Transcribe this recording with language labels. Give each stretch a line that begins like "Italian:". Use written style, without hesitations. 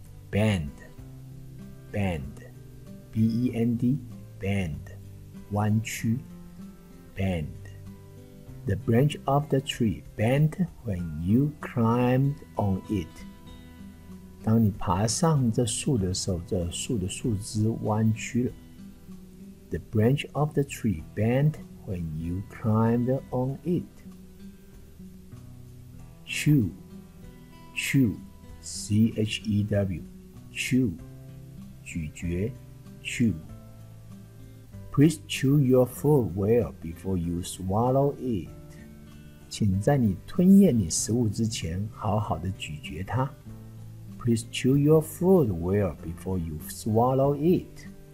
English: Bend, bend, B-E-N-D, bend, 弯曲 bend. The branch of the tree bent when you climbed on it.
Chinese: 当你爬上这树的时候，这树的树枝弯曲了。
English: The branch of the tree bent when you climbed on it. Chew, chew, C-H-E-W, chew, 咀嚼 chew. Please chew your food well before you swallow it.
Chinese: 请在你吞咽你食物之前好好的咀嚼它。
English: Please chew your food well before you swallow it.